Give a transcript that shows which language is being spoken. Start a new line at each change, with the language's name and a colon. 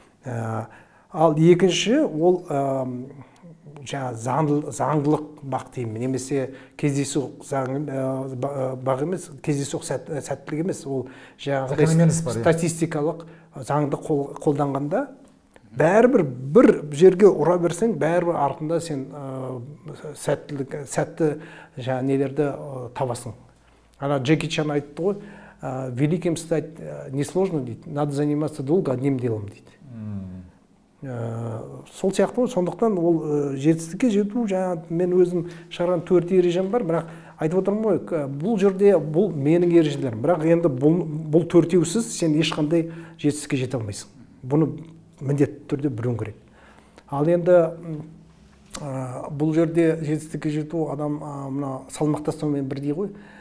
Kazakh: Ал екінші ол заңдылық бақ деймін, немесе кездейсоқ бақ емес, кездейсоқ сәттілік емес, ол статистикалық заңды қолданғанда бәрібір бір жерге ұра берсең, бәрібір артында сен сәтті жаңа нелерді табасың.
Russian: Ана Джеки Чан
Kazakh: айтты ғой,
Russian: великим стать несложно
Kazakh: дейді,
Russian: надо заниматься долго одним делом дейді.
Kazakh: Сол сияқты ғой, сондықтан ол жетістікке жету, жаңа мен өзім шығарған төрт ережем бар, бірақ айтып отырмын ғой, бұл жерде бұл менің ережелерім, бірақ енді бұл төртеусіз сен ешқандай жетістікке жете алмайсың. Бұны міндетті түрде білуің керек. Ал енді бұл жерде жетістікке жету адам мына салмақ тастаумен бірдей ғой.